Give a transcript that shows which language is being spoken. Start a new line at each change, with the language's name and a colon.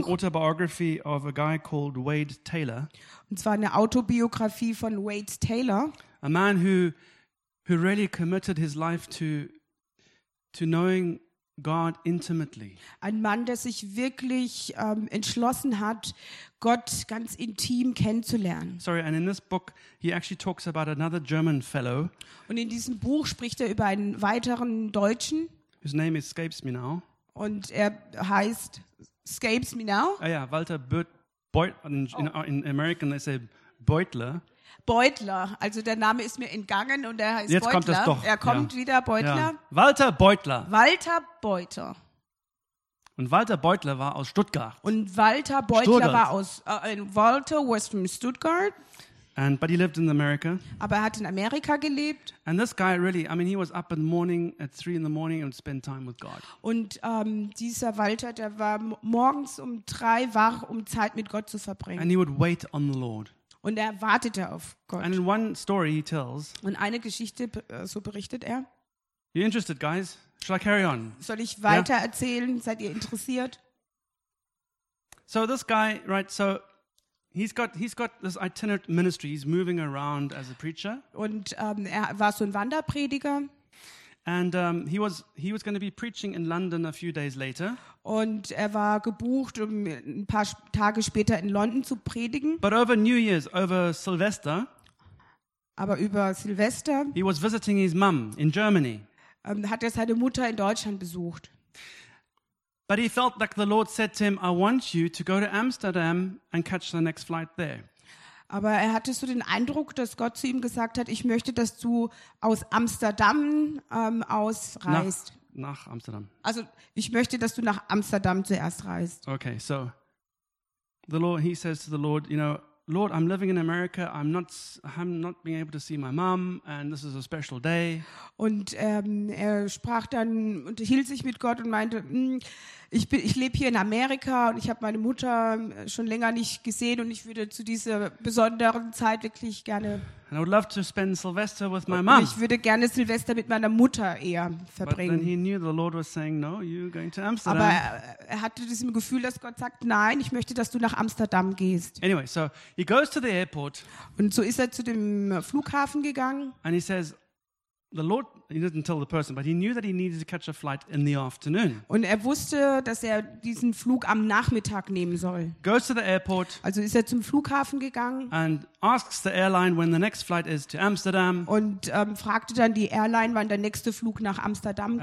English: That's an autobiography of a guy called Wade Taylor.
German: Und zwar eine Autobiografie von Wade Taylor.
English: A man who really committed his life to knowing God intimately.
German: Ein Mann, der sich wirklich entschlossen hat, Gott ganz intim kennenzulernen.
English: Sorry, and in this book he actually talks about another German fellow.
German: Und in diesem Buch spricht er über einen weiteren Deutschen.
English: His name escapes me now.
German: Und er heißt
English: escapes me now.
German: Ah ja,
English: Walter Beutler. In American they say Beutler.
German: Beutler, also der Name ist mir entgangen und er heißt jetzt Beutler. Jetzt kommt es doch. Er kommt ja. Wieder, Beutler. Ja. Walter Beutler. Walter Beutler. Und Walter Beutler war aus Stuttgart. Und Walter Beutler war aus
English: Walter was from Stuttgart. And but he lived in America.
German: Aber er hat in Amerika gelebt.
English: And this guy really, I mean, he was up in the morning at 3 a.m. and spend time with God.
German: Und dieser Walter, der war morgens um 3 wach, um Zeit mit Gott zu verbringen.
English: And he would wait on the Lord.
German: Und er wartete auf Gott.
English: And in one story he tells.
German: Und eine Geschichte so berichtet er.
English: You interested, guys? Shall I carry on?
German: Soll ich weiter erzählen? Seid ihr interessiert?
English: So this guy, right? So he's got this itinerant ministry. He's moving around as a preacher.
German: Und er war so ein Wanderprediger.
English: And he was going to be preaching in London a few days later.
German: Und er war gebucht, um ein paar Tage später in London zu predigen.
English: But over New Year's, over Silvester.
German: Aber über Silvester.
English: He was visiting his mum in Germany.
German: Hat er seine Mutter in Deutschland besucht.
English: But he felt like the Lord said to him, I want you to go to Amsterdam and catch the next flight there.
German: Aber er hatte so den Eindruck, dass Gott zu ihm gesagt hat, ich möchte, dass du aus Amsterdam ausreist. Nach Amsterdam. Also, ich möchte, dass du nach Amsterdam zuerst reist.
English: Okay, so the Lord, he says to the Lord, you know, Lord, I'm living in America. I'm not being able to see my mom, and this is a special day.
German: Und er sprach dann und hielt sich mit Gott und meinte, ich lebe hier in Amerika und ich habe meine Mutter schon länger nicht gesehen und ich würde zu dieser besonderen Zeit wirklich gerne.
English: And I would love to spend Sylvester with my mom.
German: Ich würde gerne Silvester mit meiner Mutter eher verbringen.
English: But then he knew the Lord was saying, no, you're going to Amsterdam.
German: Aber er hatte das Gefühl, dass Gott sagt, nein, ich möchte, dass du nach Amsterdam gehst.
English: Anyway, so he goes to the airport.
German: Und so ist er zu dem Flughafen gegangen.
English: And he says, the Lord, he didn't tell the person, but he knew that he needed to catch a flight in the afternoon.
German: Und er wusste, dass er diesen Flug am Nachmittag nehmen soll.
English: Goes to the airport.
German: Also ist er zum Flughafen gegangen.
English: And asks the airline when the next flight is to Amsterdam.
German: Und fragte dann die Airline, wann der nächste Flug nach Amsterdam geht.